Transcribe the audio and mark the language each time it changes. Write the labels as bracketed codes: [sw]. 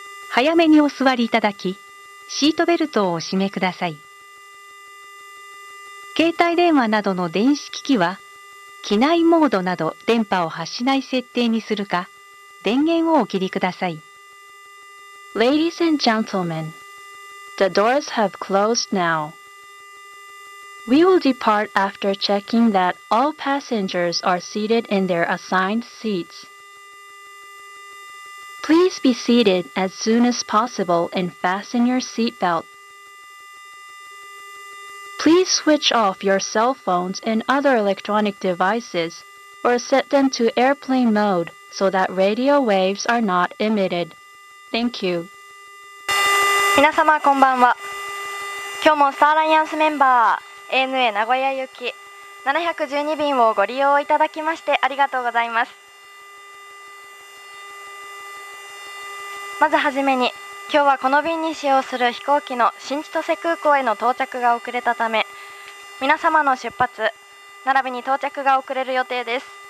[ja] 早めにお座りいただき、シートベルトをお締めください。携帯電話などの電子機器は、機内モードなど電波を発しない設定にするか、電源をお切りください。 [en] Ladies and gentlemen, the doors have closed now. We will depart after checking that all passengers are seated in their assigned seats. Please be seated as soon as possible and fasten your seatbelt. Please switch off your cell phones and other electronic devices or set them to airplane mode so that radio waves are not emitted. Thank you. [ja] 皆様こんばんは。今日もスターアライアンスメンバー ANA 名古屋行き712便をご利用いただきましてありがとうございます。まずはじめに、今日はこの便に使用する飛行機の新千歳空港への到着が遅れたため、皆様の出発、並びに到着が遅れる予定です。